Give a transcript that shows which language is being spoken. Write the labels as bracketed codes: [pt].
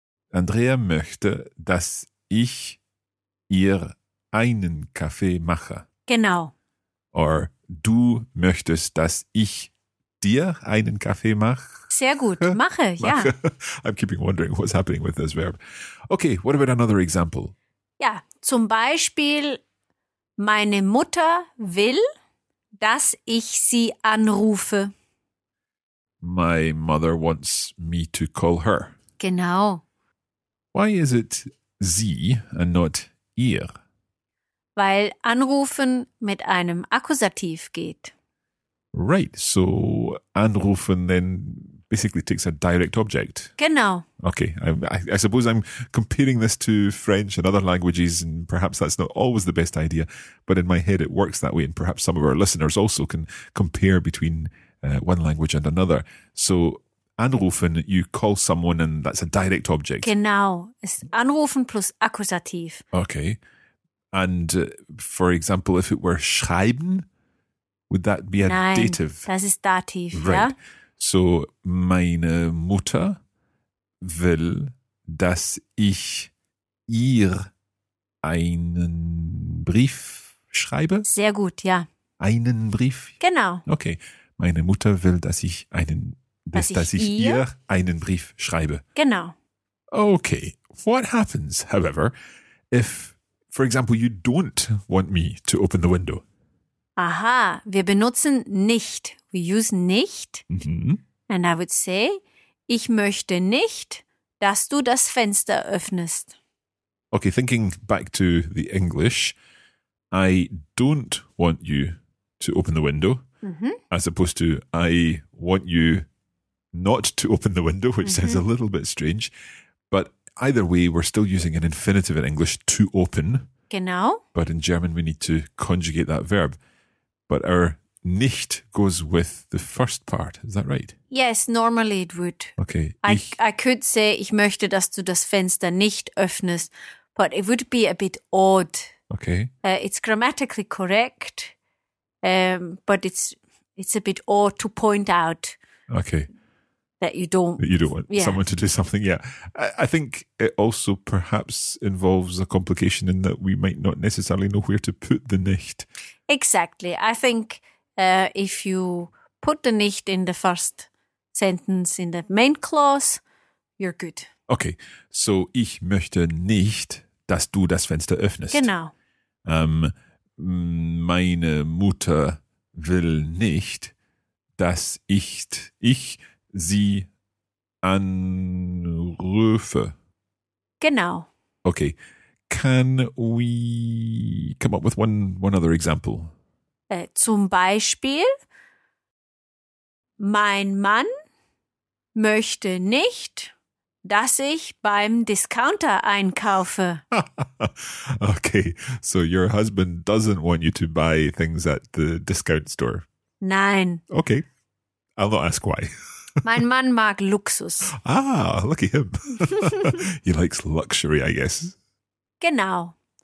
[de] Andrea möchte, dass ich ihr einen Kaffee mache. Genau. Or du möchtest, dass ich dir einen Kaffee mache. Sehr gut, mache. Ja. [en] I'm keeping wondering what's happening with this verb. Okay, what about another example? [de] Ja, zum Beispiel, meine Mutter will, dass ich sie anrufe. [en] My mother wants me to call her. [de] Genau. [en] Why is it sie and not ihr? [de] Weil anrufen mit einem Akkusativ geht. [en] Right, so anrufen then basically takes a direct object. [de] Genau. [en] Okay, I suppose I'm comparing this to French and other languages, and perhaps that's not always the best idea, but in my head it works that way, and perhaps some of our listeners also can compare between one language and another. So anrufen, you call someone and that's a direct object. Genau, it's anrufen plus Akkusativ. Okay, and for example, if it were schreiben, would that be a [de] Nein, [en] dative? [de] Das ist Dativ, [en] right. [de] Ja. So, meine Mutter will, dass ich ihr einen Brief schreibe. Sehr gut, ja. Einen Brief? Genau. [en] Okay. [de] Meine Mutter will, dass ich einen, dass ich ihr einen Brief schreibe. Genau. [en] Okay. What happens, however, if, for example, you don't want me to open the window? [de] Aha, wir benutzen nicht. [en] We use nicht. Mm-hmm. And I would say, [de] Ich möchte nicht, dass du das Fenster öffnest. [en] Okay, thinking back to the English, I don't want you to open the window, mm-hmm. as opposed to I want you not to open the window, which mm-hmm. sounds a little bit strange. But either way, we're still using an infinitive in English, to open. [de] Genau. [en] But in German, we need to conjugate that verb. But our nicht goes with the first part. Is that right? Yes, normally it would. Okay. I could say, [de] ich möchte, dass du das Fenster nicht öffnest. [en] But it would be a bit odd. Okay. It's grammatically correct, but it's a bit odd to point out. Okay. That you don't want yeah. someone to do something. Yeah. I think it also perhaps involves a complication in that we might not necessarily know where to put the nicht. Exactly. I think if you put the nicht in the first sentence in the main clause, you're good. Okay. [de] So ich möchte nicht, dass du das Fenster öffnest. Genau. Meine Mutter will nicht, dass ich sie anrufe. Genau. [en] Okay. Can we come up with one other example? [de] Zum Beispiel, mein Mann möchte nicht, dass ich beim Discounter einkaufe. [en] Okay, so your husband doesn't want you to buy things at the discount store. [de] Nein. [en] Okay, I'll not ask why. [de] Mein Mann mag Luxus. [en] Ah, look at him. He likes luxury, I guess. [de] Genau.